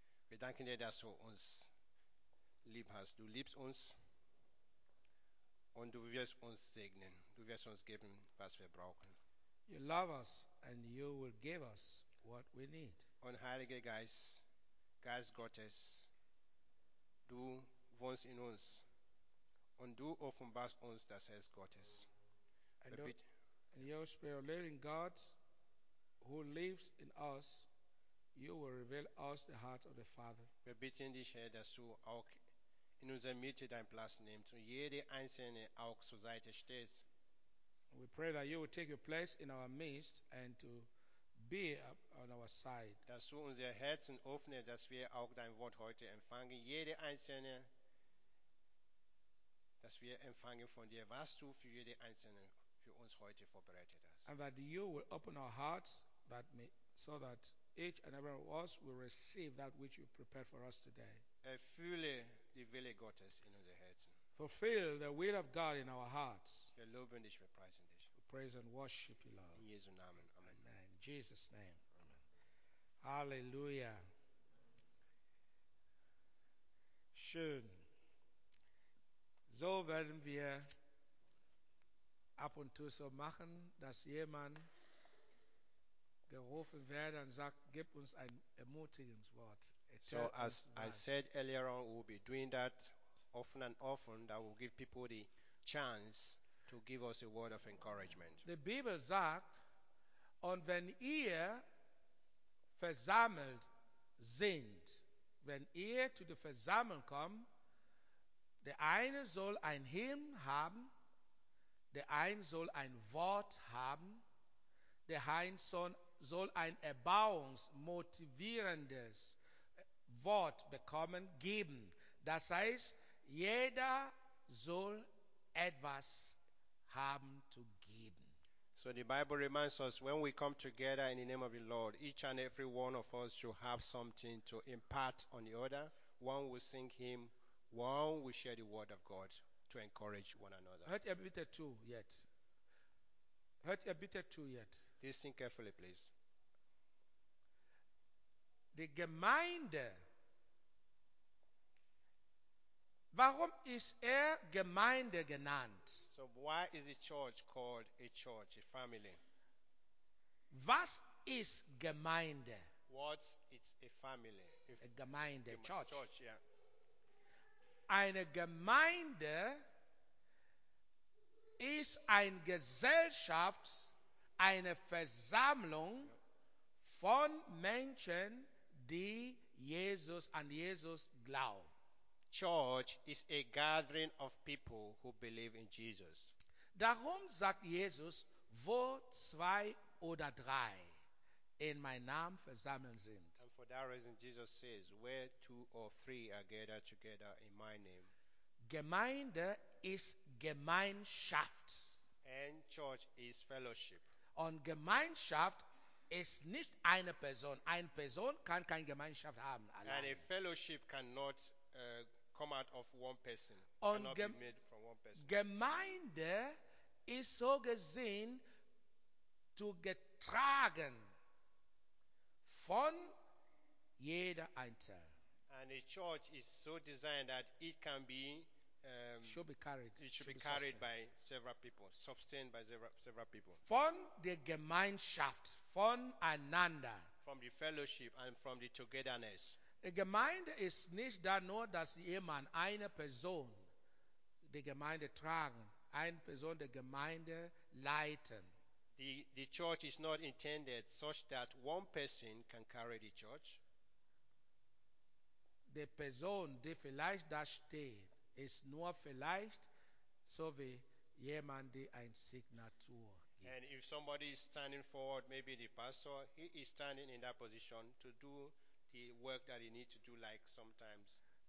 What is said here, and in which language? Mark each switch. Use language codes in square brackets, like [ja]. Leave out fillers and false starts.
[de] Wir danken dir, dass du uns lieb hast. Du liebst uns und du wirst uns segnen. Du wirst uns geben, was wir brauchen. [en] You love us and you will give us what we need. [de] Und Heiliger Geist, Geist Gottes, du wohnst in uns und du offenbarst uns das Herz Gottes. [en] And your spirit, living God, who lives in us, you will reveal us the heart of the Father. [de] Wir bitten dich, Herr, dass du auch in unserer Mitte deinen Platz nimmst und jede einzelne auch zur Seite stehst. [en] We pray that you will take your place in our midst and to be on our side. [de] Dass du unser Herzen öffnest, dass wir auch dein Wort heute empfangen, jede einzelne, dass wir empfangen von dir, was du für jede einzelne uns heute vorbereitet hast. [en] And that you will open our hearts that may, so that each and every one of us will receive that which you prepared for us today. [de] Erfülle die Wille Gottes in unser Herzen. [en] Fulfill the will of God in our hearts. [de] Wir loben dich, wir preisen dich. [en] We praise and worship you, Lord. [de] In Jesu Namen. Amen. [en] Amen. In Jesus' name. Amen. Hallelujah. [de] Schön. So werden wir ab und zu so machen, dass jemand gerufen wird und sagt, gib uns ein ermutigendes Wort. [en] So as I said earlier on, we'll be doing that often and often, that will give people the chance to give us a word of encouragement. The Bible [de] sagt, und wenn ihr versammelt sind, wenn ihr zu den Versammeln kommt, der eine soll ein Helm haben, der eine soll ein Wort haben, der eine soll ein erbauungsmotivierendes Wort bekommen, geben. Das heißt, jeder soll etwas haben zu geben. [en] So the Bible reminds us, when we come together in the name of the Lord, each and every one of us should have something to impart on the other. One will sing him, one will share the word of God to encourage one another. [de] Hört ihr bitte zu jetzt? Hört ihr bitte zu jetzt? [en] Listen carefully, please. [de] Die Gemeinde, warum ist Gemeinde genannt? [en] So why is the church called a church, a family? [de] Was ist Gemeinde? [en] What is a family? A Gemeinde, church. Church, yeah. [de] Eine Gemeinde ist eine Gesellschaft, eine Versammlung von Menschen, die Jesus an Jesus glauben. [en] Church is a gathering of people who believe in Jesus. [de] Darum sagt Jesus, wo zwei oder drei in meinem Namen versammelt sind. [en] For that reason, Jesus says, where two or three are gathered together in my name. [de] Gemeinde ist Gemeinschaft. [en] And church is fellowship. [de] Und Gemeinschaft ist nicht eine Person. Eine Person kann keine Gemeinschaft haben. Allein. [en] Eine Fellowship cannot come out of one person. Cannot be made from one person. [de] Gemeinde ist so gesehen zu getragen von jeder Einzel. [en] And a church is so designed that it can be should be carried by several people, sustained by several people. [de] Von der Gemeinschaft, voneinander. [en] From the fellowship and from the togetherness. [de] Die Gemeinde ist nicht da nur, dass jemand, eine Person, die Gemeinde tragen, eine Person die Gemeinde leiten. [en] The church is not intended such that one person can carry the church. [de] Die Person, die vielleicht da steht, ist nur vielleicht so wie jemand, die ein Signatur gibt. [en] And if somebody is standing forward, maybe the pastor, he is standing in that position to do the work that he needs to do, like sometimes